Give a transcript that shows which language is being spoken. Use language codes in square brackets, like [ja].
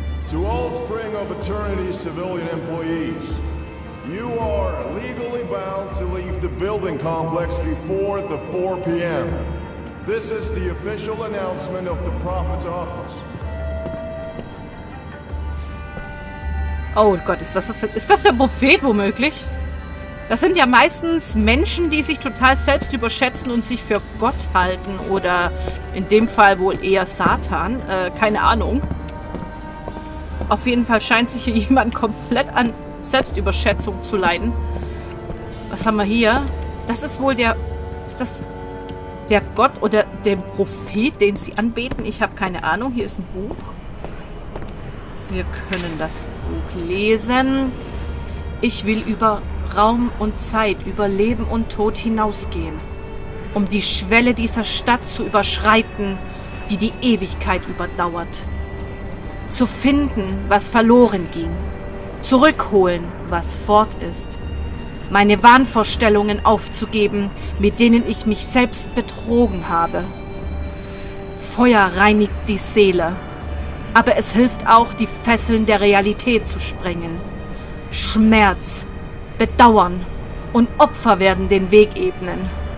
[en] To Allspring of Eternity civilian employees, you are legally bound to leave the building complex before the 4 p.m. This is the official announcement of the Prophet's office. [de] Oh Gott, ist das der Prophet womöglich? Das sind ja meistens Menschen, die sich total selbst überschätzen und sich für Gott halten. Oder in dem Fall wohl eher Satan. Keine Ahnung. Auf jeden Fall scheint sich hier jemand komplett an Selbstüberschätzung zu leiden. Was haben wir hier? Das ist wohl der... Ist das der Gott oder der Prophet, den sie anbeten? Ich habe keine Ahnung. Hier ist ein Buch. Wir können das Buch lesen. Ich will über Raum und Zeit, über Leben und Tod hinausgehen, um die Schwelle dieser Stadt zu überschreiten, die die Ewigkeit überdauert. Zu finden, was verloren ging. Zurückholen, was fort ist. Meine Wahnvorstellungen aufzugeben, mit denen ich mich selbst betrogen habe. Feuer reinigt die Seele. Aber es hilft auch, die Fesseln der Realität zu sprengen. Schmerz, Bedauern und Opfer werden den Weg ebnen.